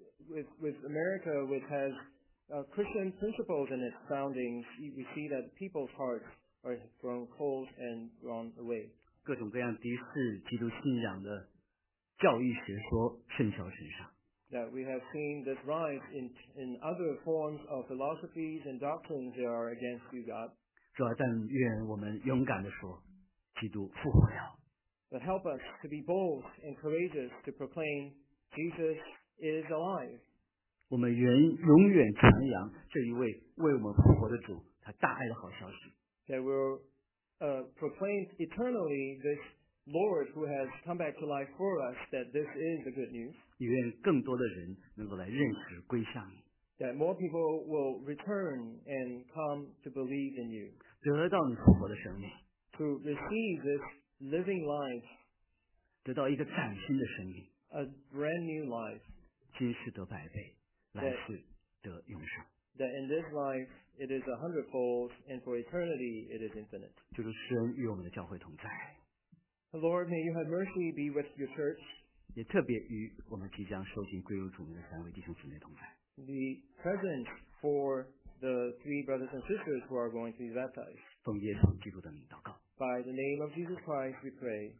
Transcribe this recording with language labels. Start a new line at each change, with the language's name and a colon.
English: With America, which has Christian principles in its foundings, you see that people's hearts are grown cold and drawn away.
Chinese: 各种各样敌视基督信仰的教义学说甚嚣尘上。
English: That we have seen this rise in other forms of philosophies and doctrines that are against you, God.
Chinese: 主啊，但愿我们勇敢地说，基督复活了。
English: But help us to be bold and courageous to proclaim Jesus is alive.
Chinese: 我们愿永远传扬这一位为我们复活的主他大爱的好消息。
English: That will proclaim eternally this Lord who has come back to life for us, that this is the good news.
Chinese: 愿更多的人能够来认识归向你。
English: That more people will return and come to believe in you.
Chinese: 得到你复活的生命。
English: To receive this living life.
Chinese: 得到一个崭新的生命。
English: A brand new life.
Chinese: 今世得百倍，来世得永生。
English: That in this life it is a hundredfold, and for eternity it is infinite.
Chinese: 就是施恩与我们的教会同在。
English: The Lord, may you have mercy be with your church.
Chinese: 也特别与我们即将受浸归入主名的三位弟兄姊妹同在。
English: The present for the three brothers and sisters who are going to be baptized.
Chinese: 奉耶稣基督的名祷告。
English: By the name of Jesus Christ, we pray.